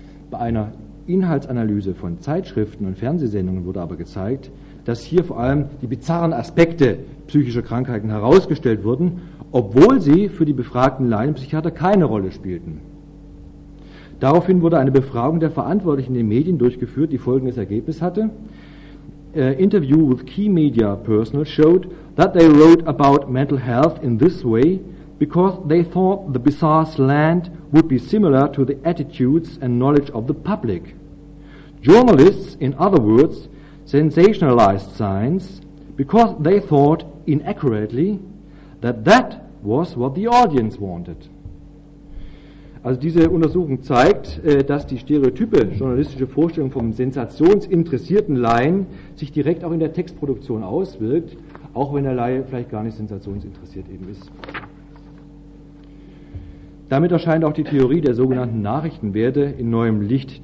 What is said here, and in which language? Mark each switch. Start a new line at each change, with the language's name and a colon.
German: Bei einer Inhaltsanalyse von Zeitschriften und Fernsehsendungen wurde aber gezeigt, dass hier vor allem die bizarren Aspekte psychischer Krankheiten herausgestellt wurden, obwohl sie für die befragten Laienpsychiater keine Rolle spielten. Daraufhin wurde eine Befragung der Verantwortlichen in den Medien durchgeführt, die folgendes Ergebnis hatte.
English: Interview with key media personnel showed that they wrote about mental health in this way because they thought the bizarre slant would be similar to the attitudes and knowledge of the public. Journalists, in other words, sensationalized science because they thought inaccurately that that was what the audience wanted.
German: Also diese Untersuchung zeigt, dass die stereotype journalistische Vorstellung vom sensationsinteressierten Laien sich direkt auch in der Textproduktion auswirkt, auch wenn der Laie vielleicht gar nicht sensationsinteressiert eben ist. Damit erscheint auch die Theorie der sogenannten Nachrichtenwerte in neuem Licht.